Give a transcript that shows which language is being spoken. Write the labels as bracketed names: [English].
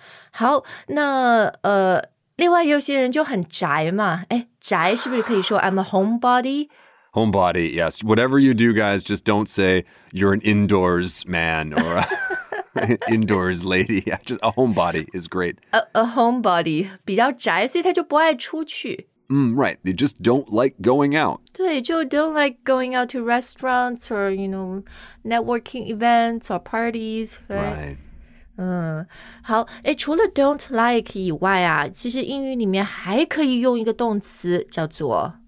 [Chinese] 好那另外有些人就很宅嘛诶宅是不是可以说 [English] I'm a homebody? Homebody, yes. Whatever you do, guys, just don't say you're an indoors man or a indoors lady. Yeah, just a homebody is great. A homebody. [Chinese] 比较宅所以他就不爱出去。 [English] Right. They just don't like going out. 对就 don't like going out to restaurants or, you know, networking events or parties. [Chinese] Right. 好诶除了 don't like 以外啊其实英语里面还可以用一个动词叫做。